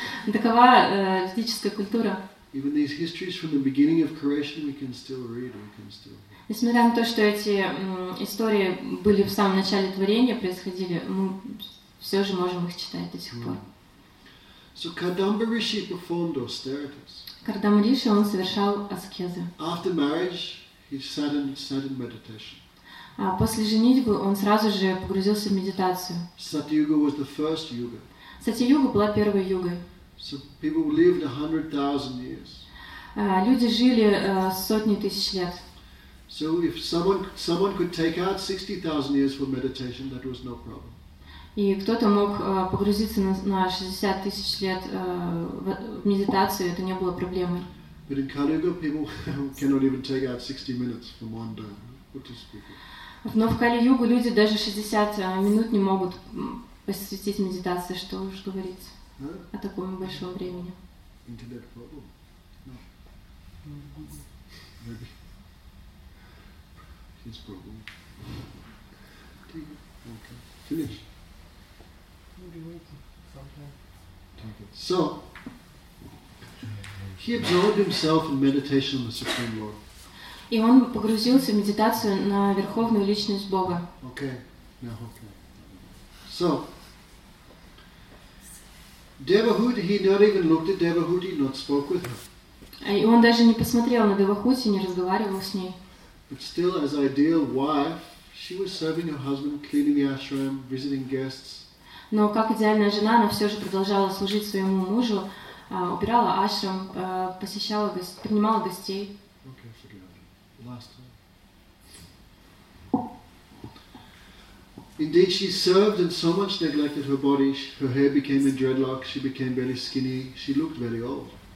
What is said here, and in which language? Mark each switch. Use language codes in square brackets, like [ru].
[ru] Такова ведическая культура. [en] Even these histories from the beginning of creation, we can still read, we can still. [ru] Несмотря на то, что эти истории были в самом начале творения происходили, мы все же можем их читать до сих пор. [en] So Kardamba Rishi performed austerities. [ru] Кардама Риши, он совершал аскезы. [en] After marriage, he sat in meditation. [ru] После женитьбы он сразу же погрузился в медитацию. [en] Сатьюга was the first yuga. [ru] Сатьюга была первой югой. [en] So people lived 100,000 years. [ru] Люди жили сотни тысяч лет. [en] So if someone could take out 60,000 years for meditation, that was no problem. [ru] И кто-то мог погрузиться на 60 тысяч лет в медитацию, это не было проблемой. [en] But in Kali-yuga people cannot even take out 60 minutes from one day, what to speak of. [ru] Но в Кали-югу люди даже 60 минут не могут посвятить медитации, что уж говорить о таком большом времени. [en] Internet problem? No. Maybe. His problem. Okay. Finish. Do you wait sometime? So, he absorbed himself in meditation on the Supreme Lord. [ru] И он погрузился в медитацию на верховную личность Бога. [en] Okay. Yeah, okay. So, Devahuti, he not even looked at Devahuti, not spoke with her. [ru] И он даже не посмотрел на Девахути, не разговаривал с ней. [en] But still, as ideal wife, she was serving her husband, cleaning the ashram, visiting guests. [ru] Но как идеальная жена, она все же продолжала служить своему мужу, убирала ашрам, посещала гостей, принимала гостей. [en] Okay, forget it. Last time. Indeed, she served and so much neglected her body, her hair became a dreadlock, she became very skinny, she looked very old.